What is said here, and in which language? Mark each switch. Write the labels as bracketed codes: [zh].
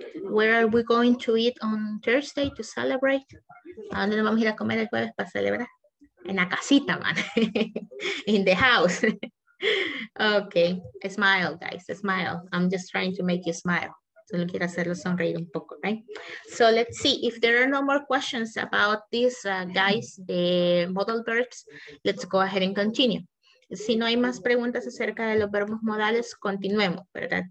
[en] Where are we going to eat on Thursday to celebrate? [es] ¿A dónde nos vamos a ir a comer el jueves para celebrar? En la casita, [en] man. In the house. Okay, smile, guys, smile. I'm just trying to make you smile. [es] Solo quiero hacerlo sonreír un poco, [en] right? So let's see if there are no more questions about this, guys, the modal verbs. Let's go ahead and continue. [es] Si no hay más preguntas acerca de los verbos modales, continuemos, ¿verdad?